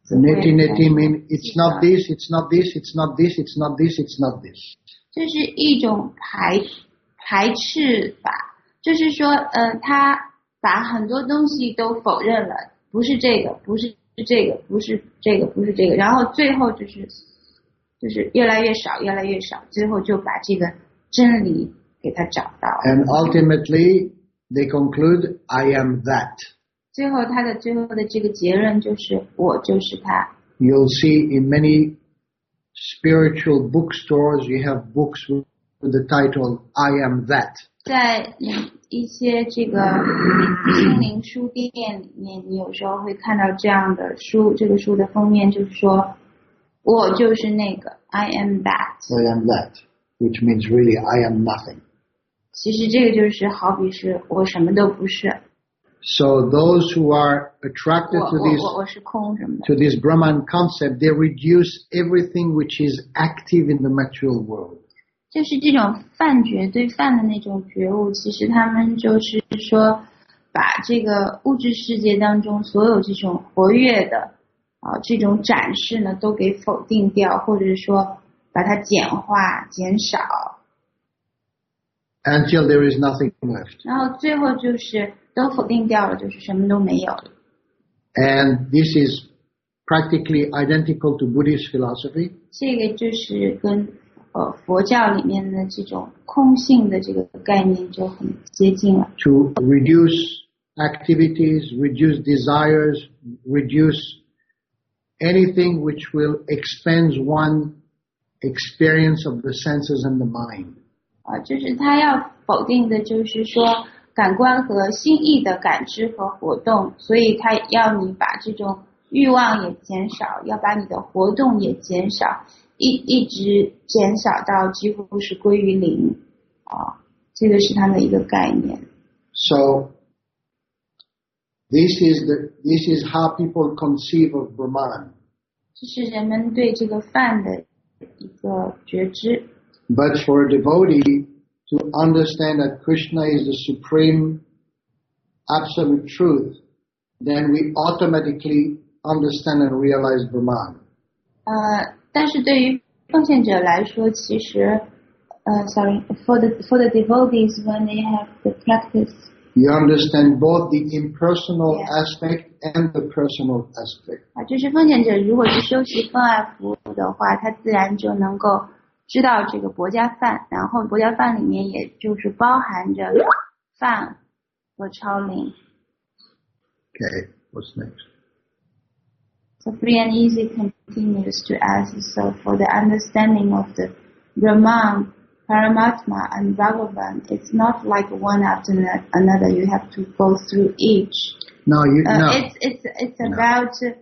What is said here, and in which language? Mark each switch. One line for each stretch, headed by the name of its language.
English: Neti neti mean it's not this, it's not this, it's not this, it's not this, it's not this.
Chinese: 这是一种排斥法。就是说他把很多东西都否认了，不是这个，不是这个，不是这个，不是这个，然后最后就是越来越少，越来越少，最后就把这个真理给他找到。
English: And ultimately, they conclude, I am that.
Chinese: 最后他的最后的这个结论就是我就是他。
English: You'll see in many spiritual bookstores, you have books with the title, I am that.
Chinese: 在一些这个心灵书店里面，你有时候会看到这样的书，这个书的封面就是说，我就是那个 ，
English: I am that。 I am that, which means really I am nothing。
Chinese: 其实这个就是好比是我什么都不是。
English: So those who are attracted to this,
Chinese: 我是空什么的
English: to this Brahman concept, they reduce everything which is active in the material world.
Chinese: 就是这种梵觉对梵的那种觉悟，其实他们就是说，把这个物质世界当中所有这种活跃的这种展示呢，都给否定掉，或者说把它简化、减少。
English: Until there is nothing left.
Chinese: 然后最后就是都否定掉了，就是什么都没有。
English: And this is practically identical to Buddhist philosophy.
Chinese: 这个就是跟。佛教里面的这种空性的这个概念就很接近了。
English: To reduce activities, reduce desires, reduce anything which will expand one experience of the senses and the mind.
Chinese: 就是他要否定的就是说感官和心意的感知和活动，所以他要你把这种欲望也减少，要把你的活动也减少。一直减小到几乎是归于零，啊，这个是他们的一个概念。
English: So this is how people conceive of Brahman.
Chinese: 这是人们对这个梵的一个觉知。
English: But for a devotee to understand that Krishna is the supreme absolute truth, then we automatically understand and realize Brahman.
Chinese: 但是对于奉献者来说，其实，
English: for the devotees when they have the practice, you understand both the impersonal aspect and the personal aspect.
Chinese: 啊，就是奉献者如果是修习奉爱服务的话，他自然就能够知道这个薄伽梵，然后薄伽梵里面也就是包含着梵和超灵。
English: Okay, what's next? So free and easy continues to ask itself for the understanding of the Brahman, Paramatma, and Bhagavan. It's not like one after another. You have to go through each. It's about